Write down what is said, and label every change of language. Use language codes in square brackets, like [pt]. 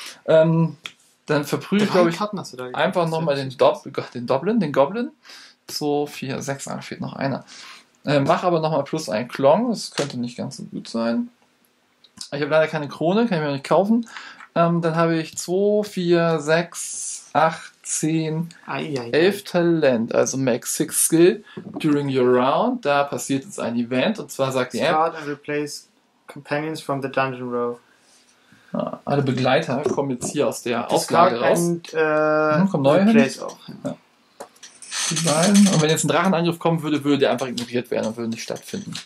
[de] Dann verprüge ich, glaube ich, einfach nochmal den Goblin. 2, 4, 6, fehlt noch einer. Mach aber nochmal plus ein Klong. Das könnte nicht ganz so gut sein. Ich habe leider keine Krone, kann ich mir nicht kaufen. Dann habe ich 2, 4, 6, 8, 10, 11 Talent, also Max 6 Skill [en] during your round. [de] Da passiert jetzt ein Event und zwar sagt die App: [en] Start and replace companions from the dungeon row. [de] Alle Begleiter kommen jetzt hier aus der Auflage raus. Kommt neue hin. Nein. Und wenn jetzt ein Drachenangriff kommen würde, würde der einfach ignoriert werden und würde nicht stattfinden.